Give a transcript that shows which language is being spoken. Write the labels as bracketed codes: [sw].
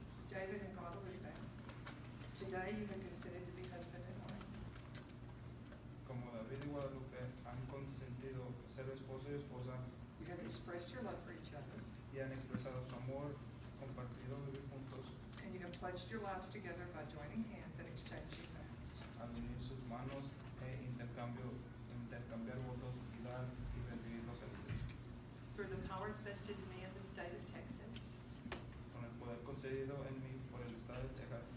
[en] David and Guadalupe, today you've been considered to be husband and wife. [es] David y Guadalupe han consentido ser esposo y esposa. [en] You have expressed your love for each other. [es] Y han expresado su amor compartido, vivir juntos. [en] And you have pledged your lives together by joining hands and exchanging vows. [es] Al unir sus manos e intercambiar votos y dar y recibir los servicios. [en] Through the powers vested in me of the state of Texas. [es] Con el poder concedido en mí por el estado de Texas.